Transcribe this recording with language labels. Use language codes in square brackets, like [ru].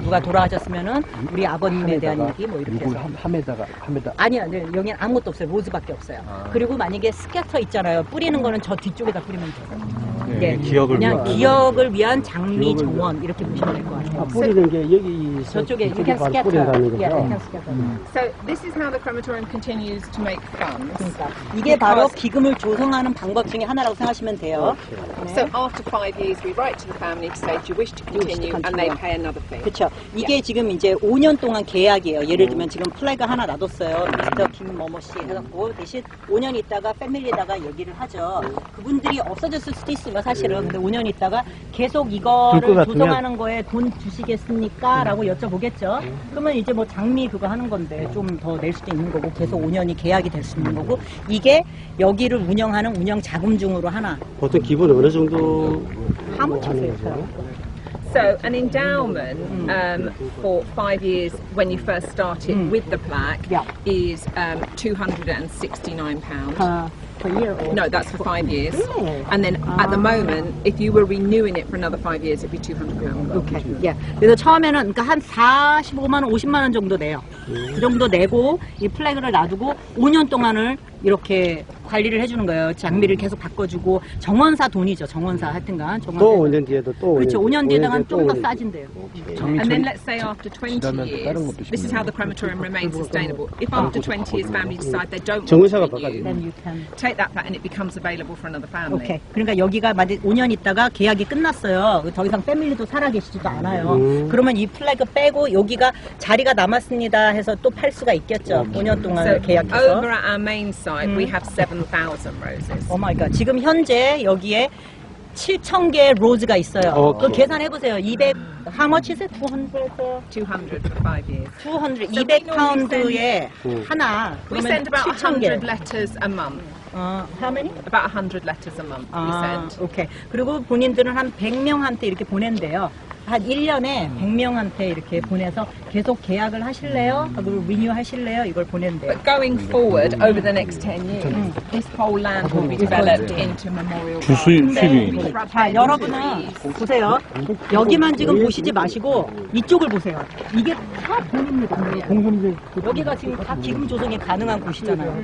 [ko] 누가 돌아가셨으면은 우리 아버님에 대한 얘기 뭐 이렇게 해서 함에다가 아니요. 네, 여기는 아무것도 없어요. 로즈밖에 없어요. 아. 그리고 만약에 스캐터 있잖아요. 뿌리는 거는 저 뒤쪽에다 뿌리면 돼요. 네, 기억을 그냥 기억을 위한 장미 정원 이렇게 보시면 될 것 같아요. 아, 뿌리는 게 여기 저쪽에 이렇게 스캐터. [en] Yeah, So this is how the crematorium continues to make funds. [ko] 그러니까 이게 바로 기금을 조성하는 방법 중에 하나라고 생각하시면 돼요. [en] Okay. 네. So after 5 years, we write to the family to say you wish to continue, and they pay another fee. [ko] 그렇죠. 이게 yeah. 지금 이제 5년 동안 계약이에요. 예를 들면 지금 플래그 하나 놔뒀어요. 미스터 김머머 씨 해갖고 대신 5년 있다가 패밀리에다가 얘기를 하죠. 그분들이 없어졌을 수도 있어요. 사실은 근데 5년 있다가 계속 이거를 조성하는 거에 돈 주시겠습니까? 라고 여쭤보겠죠. 그러면 이제 뭐 장미 그거 하는 건데 좀 더 낼 수도 있는 거고 계속 5년이 계약이 될 수 있는 거고 이게 여기를 운영하는 운영 자금 중으로 하나. 보통 기본 어느 정도 뭐 하는 거죠? [en] So an endowment for 5 years when you first started with the plaque is £269. Year no, that's for 5 years. And then at the moment, if you were renewing it for another 5 years, it'd be £200. Okay. Yeah. [ko] 그래서 처음에는 그러니까 한 45만 원, 50만 원 정도 내요. 그 정도 내고 이 플래그를 놔두고 5년 동안을 이렇게 관리를 해주는 거예요. 장미를 계속 바꿔주고 정원사 돈이죠. 정원사 하여튼간 정원사. 또 5년 뒤에도 또 그렇죠. 5년 뒤에다가는 좀 더 싸진대요. [en] And then let's say after 20 years, this is how the crematorium remains sustainable. If after 20 years, family decide they don't want to renew, then you can take that plaque and it becomes available for another family. 오케이. [ko] 그러니까 여기가 만약 5년 있다가 계약이 끝났어요. 더 이상 패밀리도 살아계시지도 않아요. 그러면 이 플래그 빼고 여기가 자리가 남았습니다 해서 또 팔 수가 있겠죠. 5년 동안 계약해서. [en] Over at our main site, we have 7,000 roses. Oh my god. [ko] 지금 현재 여기에 7,000개의 로즈가 있어요. [en] Okay. [ko] 그 계산해 보세요. [en] 200 how much is it? 200 for 5 years. 200 [ko] 200파운드에 하나. [en] We send about 100 letters a month. How many? About 100 letters a month. We send. Okay. [ko] 그리고 본인들은 한 100명한테 이렇게 보낸대요. 한 1년에 100명한테 이렇게 보내서 계속 계약을 하실래요? 하고 리뉴 하실래요? 이걸 보낸대요. [en] But going forward over the next 10 years, this whole land will be developed into memorial. [ko] 주수입. 자, 여러분은 보세요. 여기만 지금 보시지 마시고 이쪽을 보세요. 이게 다 본인들 공분이 여기가 지금 다 기금 조성이 가능한 곳이잖아요.